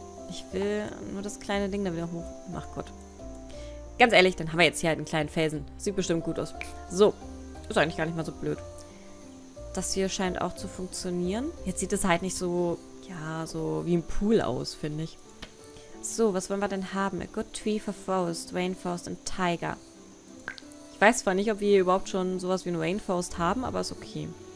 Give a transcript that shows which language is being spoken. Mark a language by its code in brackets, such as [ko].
[de] Ich will nur das kleine Ding da wieder hoch. Ach Gott. Ganz ehrlich, dann haben wir jetzt hier halt einen kleinen Felsen. Sieht bestimmt gut aus. So. Ist eigentlich gar nicht mal so blöd. Das hier scheint auch zu funktionieren. Jetzt sieht es halt nicht so, ja, so wie ein Pool aus, finde ich. So, was wollen wir denn haben? [en] A good tree for forest, rainforest and tiger. [de] Ich weiß zwar nicht, ob wir überhaupt schon sowas wie ein Rainforest haben, aber ist okay.